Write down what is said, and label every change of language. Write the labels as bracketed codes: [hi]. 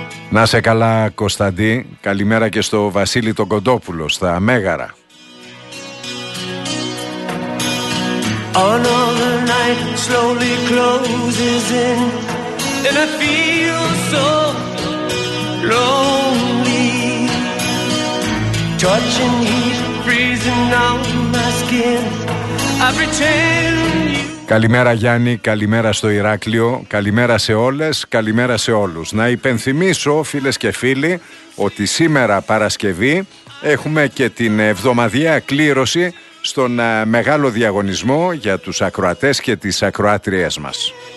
[el] Να σε καλά, Κωνσταντή. Καλημέρα και στο Βασίλη τον Κοντόπουλο, στα Μέγαρα. [en] Another night slowly closes in, and I feel so lonely. Touching heat, freezing on my skin. I pretend you... [el] Καλημέρα Γιάννη, καλημέρα στο Ηράκλειο, καλημέρα σε όλες, καλημέρα σε όλους. Να υπενθυμίσω φίλες και φίλοι ότι σήμερα Παρασκευή έχουμε και την εβδομαδιαία κλήρωση στον μεγάλο διαγωνισμό για τους ακροατές και τις ακροάτριές μας.